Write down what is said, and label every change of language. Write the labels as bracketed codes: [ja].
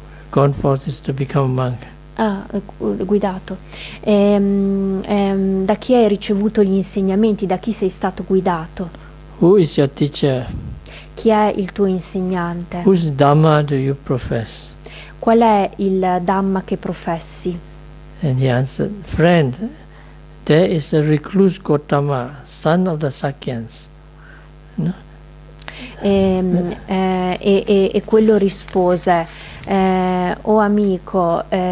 [en] gone forth is to become a monk. [it] Guidato. Da chi hai ricevuto gli insegnamenti? Da chi sei stato guidato? [en] Who is your teacher? [it] Chi è il tuo insegnante? [en] Whose dhamma do you profess? [it] Qual è il dhamma che professi? [en] And he answered, friend, there is a recluse Gotama, son of the Sakyans. No? [it] E quello rispose, o amico,